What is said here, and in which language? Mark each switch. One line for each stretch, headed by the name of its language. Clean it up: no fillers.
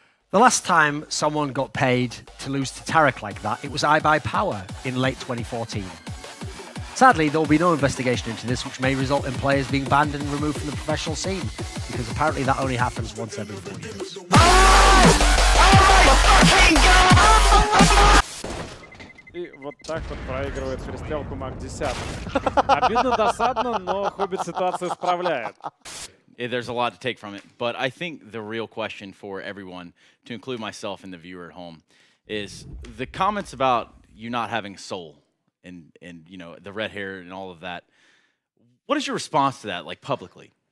English: The last time someone got paid to lose to Tarik like that, it was iBuyPower in late 2014. Sadly, there will be no investigation into this, which may result in players being banned and removed from the professional scene, because apparently that only happens once every 4 years.
Russian: И вот так вот проигрывает перестрелку маг 10. Обидно, досадно, но Хоббит ситуацию исправляет.
English: There's a lot to take from it, but I think the real question for everyone, to include myself and the viewer at home, is the comments about you not having soul. And you know, the red hair and all of that. What is your response to that, like, publicly?